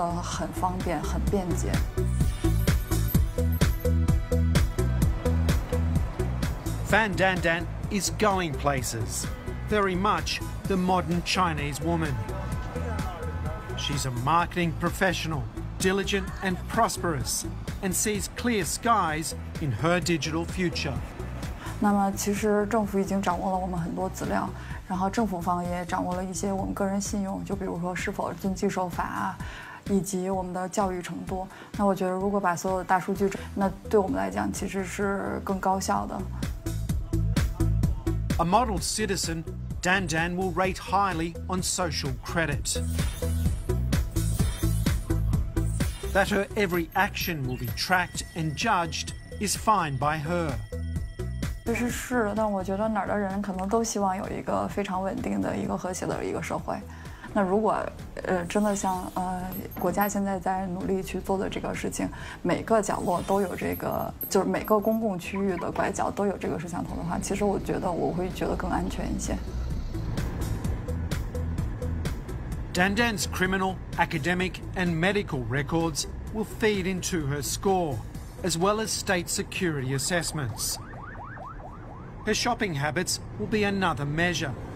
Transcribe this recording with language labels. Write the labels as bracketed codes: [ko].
[en] I think that in a very [zh] 短时间能发展成现在的这个样子，我就真的非常自豪。另外，我也觉得，就是由于大数据的发展和一些新的一些digital手段的一个发展，然后现在在中国生活真的很方便，很便捷。 [en] Fan Dan Dan is going places. Very much the modern Chinese woman. She's a marketing professional, diligent and prosperous, and sees clear skies in her digital future. [zh] 那么其实政府已经掌握了我们很多资料，然后政府方也掌握了一些我们个人信用，就比如说是否遵纪守法，以及我们的教育程度。那我觉得如果把所有的大数据，那对我们来讲其实是更高效的。 [en] A model citizen, Dan Dan will rate highly on social credit. that her every action will be tracked and judged is fine by her. [zh] 这是，但我觉得哪儿的人可能都希望有一个非常稳定的一个和谐的一个社会。那如果真的像国家现在在努力去做的这个事情，每个角落都有这个，就是每个公共区域的拐角都有这个摄像头的话，其实我觉得我会觉得更安全一些。 [en] Dandan's criminal, academic, and medical records will feed into her score, as well as state security assessments. Her shopping habits will be another measure.